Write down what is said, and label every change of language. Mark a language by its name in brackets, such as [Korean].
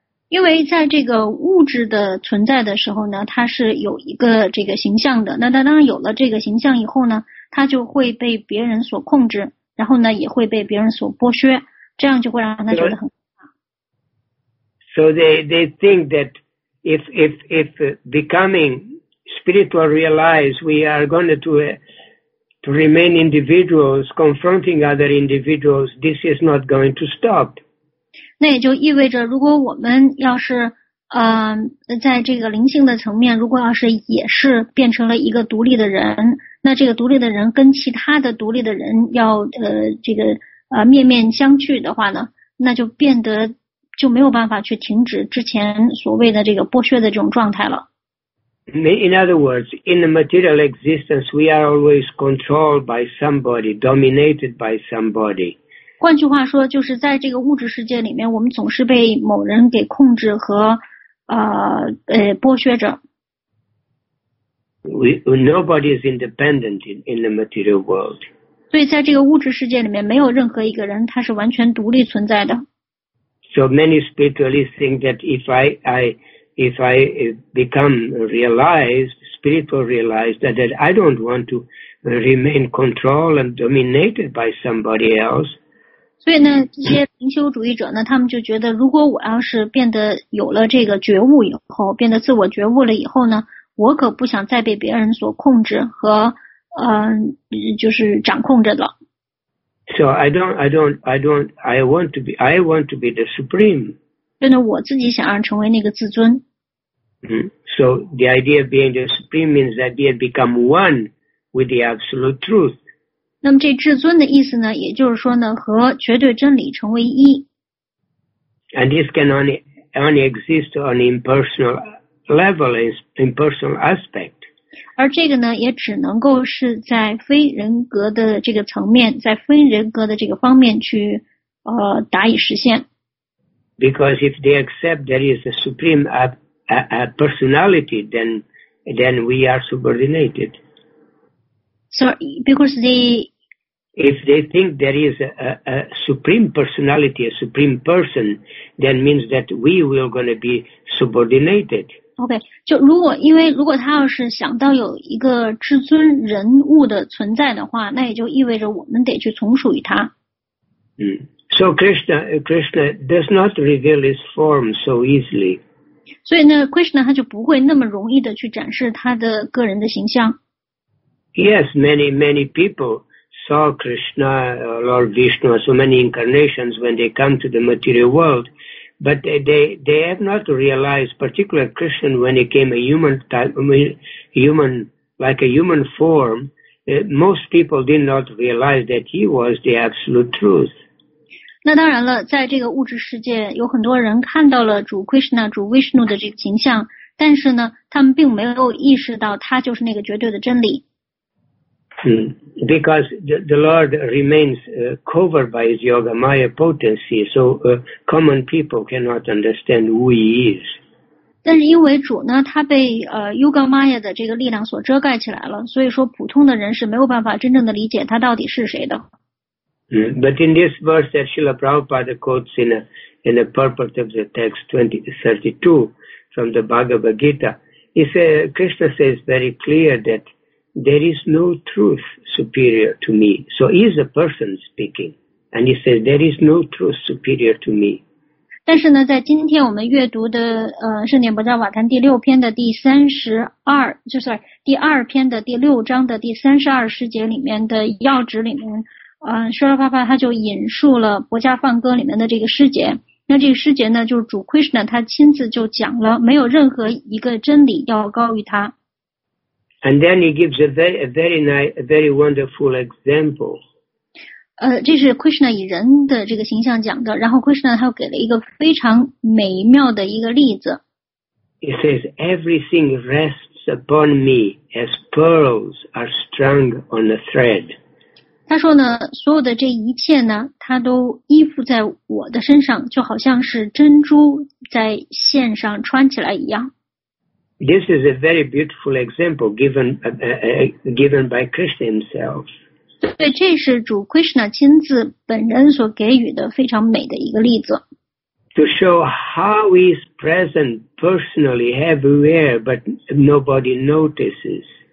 [Chinese] 因为在这个物质的存在的时候呢，它是有一个这个形象的。那当然有了这个形象以后呢，它就会被别人所控制，然后呢也会被别人所剥削，这样就会让他觉得很可怕。 [English] So they think that if becoming spiritual realize we are going to remain individuals confronting other individuals, this is not going to stop. [Chinese] 那也就意味着，如果我们要是在这个灵性的层面，如果要是也是变成了一个独立的人，那这个独立的人跟其他的独立的人要面面相觑的话呢，那就变得就没有办法去停止之前所谓的这个剥削的这种状态了。 [English] In other words, in the material existence, we are always controlled by somebody, dominated by somebody. [Chinese] 换句话说，就是在这个物质世界里面，我们总是被某人给控制和剥削着。 [English] Nobody is independent in the material world. [Chinese] 所以在这个物质世界里面，没有任何一个人他是完全独立存在的。 [English] So many spiritualists think that if I become realized, spiritual realized, that I don't want to remain controlled and dominated by somebody else. [Chinese] 所以呢，这些灵修主义者呢，他们就觉得，如果我要是变得有了这个觉悟以后，变得自我觉悟了以后呢，我可不想再被别人所控制和就是掌控着了。 [English] So I want to be the supreme. [Chinese] 真的，我自己想要成为那个至尊。 [English] So the idea of being the supreme means that they become one with the absolute truth. [Chinese] 那么这至尊的意思呢，也就是说呢，和绝对真理成为一。 [English] And this can only exist on impersonal level, impersonal aspect. [Chinese] 而这个呢，也只能够是在非人格的这个层面，在非人格的这个方面去达以实现。 [English] Because if they accept there is a supreme a personality, then we are subordinated. Sorry, because they... If they think there is a supreme personality, a supreme person, then means that we will going to be subordinated. [Chinese] Okay, 就如果因为如果他要是想到有一个至尊人物的存在的话，那也就意味着我们得去从属于他。 [English] So Krishna does not reveal his form so easily. [Chinese] 所以呢 ，Krishna 他就不会那么容易的去展示他的个人的形象。 [English] Yes, many people saw Krishna, Lord Vishnu, so many incarnations when they come to the material world, but they have not realized, particularly Krishna, when he came a human type, I mean, human like a human form. Most people did not realize that he was the absolute truth. [Chinese] 那当然了，在这个物质世界，有很多人看到了主 Krishna, 主 Vishnu 的这个形象，但是呢，他们并没有意识到他就是那个绝对的真理。 [English] Because the Lord remains covered by his yoga maya potency, so common people cannot understand who he is. [Chinese] 但是因为主呢，他被yoga maya 的这个力量所遮盖起来了，所以说普通的人是没有办法真正的理解他到底是谁的。 [English] But in this verse that Srila Prabhupada quotes in a purport of the text 20-32 from the Bhagavad Gita, Krishna says very clear that there is no truth superior to me. So he is a person speaking, and he says there is no truth superior to me. [Chinese] 但是呢，在今天我们阅读的圣典不在瓦坛第六篇的第三十二，就是第二篇的第六章的第三十二十节里面的要旨里面，施拉帕帕他就引述了伯加梵歌里面的这个诗节。那这个诗节呢，就是主 Krishna 他亲自就讲了，没有任何一个真理要高于他。 [English] And then he gives a very wonderful example. [Chinese] 这是 Krishna 以人的这个形象讲的，然后 Krishna 他又给了一个非常美妙的一个例子。 [English] He says, everything rests upon me as pearls are strung on a thread. [Chinese] 他说呢，所有的这一切呢，他都依附在我的身上，就好像是珍珠在线上穿起来一样。 [English] This is a very beautiful example given by Krishna himself. [Chinese] 对，这是主 Krishna 亲自本人所给予的非常美的一个例子。 [English] To show how he is present personally everywhere, but nobody notices.